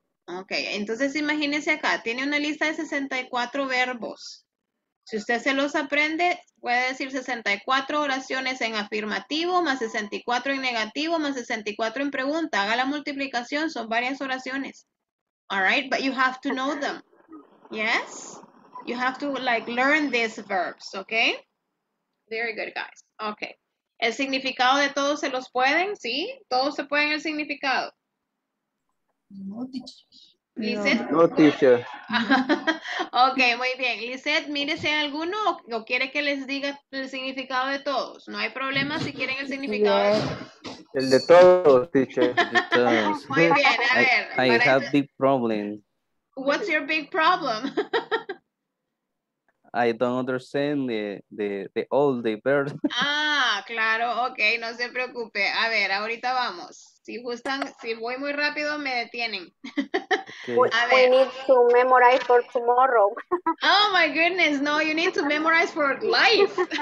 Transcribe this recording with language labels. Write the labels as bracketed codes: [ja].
[es] Okay, entonces imagínese acá, tiene una lista de 64 verbos. Si usted se los aprende, puede decir 64 oraciones en afirmativo, más 64 en negativo, más 64 en pregunta. Haga la multiplicación, son varias oraciones. [en] All right, but you have to know them. Yes? You have to, like, learn these verbs, okay? Very good, guys. [es] Okay. ¿El significado de todos se los pueden? ¿Sí? ¿Todos se pueden el significado? [en] No, teacher. [es] Ok, muy bien. Lizeth, mírese alguno o quiere que les diga el significado de todos. No hay problema si quieren el significado. Yeah. El de todos, teacher. Muy bien, a ver. [en] I have big problem. What's your big problem? I don't understand the all the birds. [es] Ah, claro, ok, no se preocupe. A ver, ahorita vamos. Si gustan, si voy muy rápido, me detienen. [en] Okay. We need to memorize for tomorrow. Oh my goodness, no, you need to memorize for life.